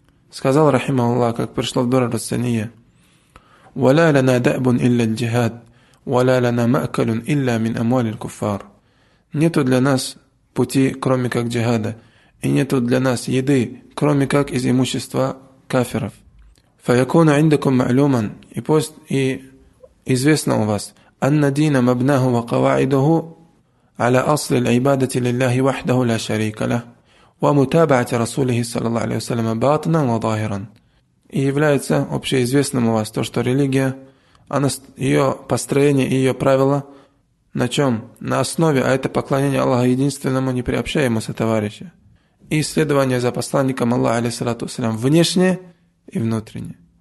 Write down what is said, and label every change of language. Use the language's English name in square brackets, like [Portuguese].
[Russian] Сказал, рахима Аллах, как пришло в Дура Рассания, [Arabic] «Валя ляна дабун илля джихад». وَلَا لَنَا مَأْكَلٌ إِلَّا مِنْ أَمْوَالِ الْكُفَّارِ. [Russian] Нету для нас пути, кроме как джихада. И нету для нас еды, кроме как из имущества кафиров. [Arabic] فَيَكُونَ عِنْدَكُمْ مَعْلُومًا [Russian] и пусть и известно у вас [Arabic] أَنَّ دِينَ مَبْنَهُ وَقَوَاعِدُهُ عَلَى أَصْلِ الْعِبَادَةِ لِلَّهِ وَحْدَهُ لَا شَرِيكَ لَهُ وَمُتَابَعَةِ رَسُولِهِ صَلَى اللَّهُ عَلَيْهُ وَسَلَّمَ بَاطِنًا وَظَاهِرًا. [Russian] И является общеизвестным у вас то, что религия, она, ее построение и ее правила на чем? На основе, а это поклонение Аллаху единственному, непреобщаемому сотоварищу. И следование за посланником Аллаха, алейхиссалату вассалям, внешне и внутренне.